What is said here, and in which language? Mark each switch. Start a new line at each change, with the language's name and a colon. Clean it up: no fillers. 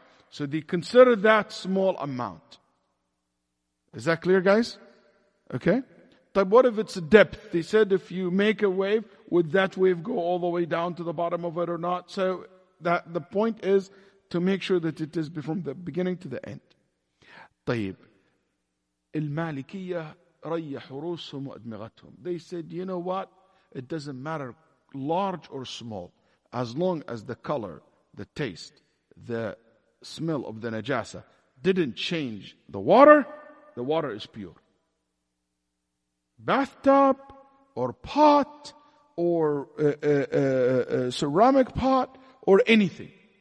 English: So they consider that small amount. Is that clear, guys? Okay. But what if it's depth? They said if you make a wave, would that wave go all the way down to the bottom of it or not? So that the point is to make sure that it is from the beginning to the end.
Arabic: طيب. المالكية ريحوا رؤوسهم وأدمغتهم.
English: They said, you know what? It doesn't matter large or small, as long as the color, the taste, the smell of the najasa didn't change the water is pure. Bathtub or pot or ceramic pot or anything.